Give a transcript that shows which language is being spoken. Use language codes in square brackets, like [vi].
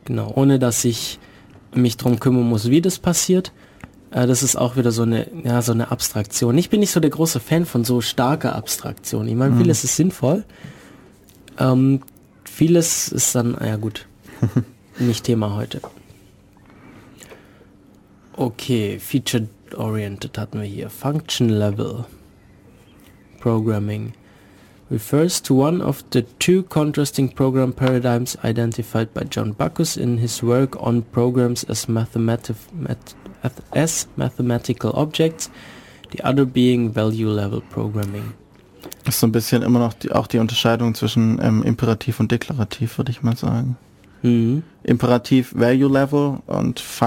[de] Genau, ohne dass ich mich drum kümmern muss, wie das passiert. Das ist auch wieder so eine Abstraktion. Ich bin nicht so der große Fan von so starker Abstraktion. Ich meine, vieles ist sinnvoll. Vieles ist dann, ja gut, nicht Thema heute. Okay, Featured Oriented hatten wir hier. [en] Function Level Programming refers to one of the two contrasting program paradigms identified by John Backus in his work on programs as mathematical objects, the other being value level programming. [de] Das ist so ein bisschen immer noch auch die Unterscheidung zwischen imperativ und deklarativ, würde ich mal sagen. Imperativ value level und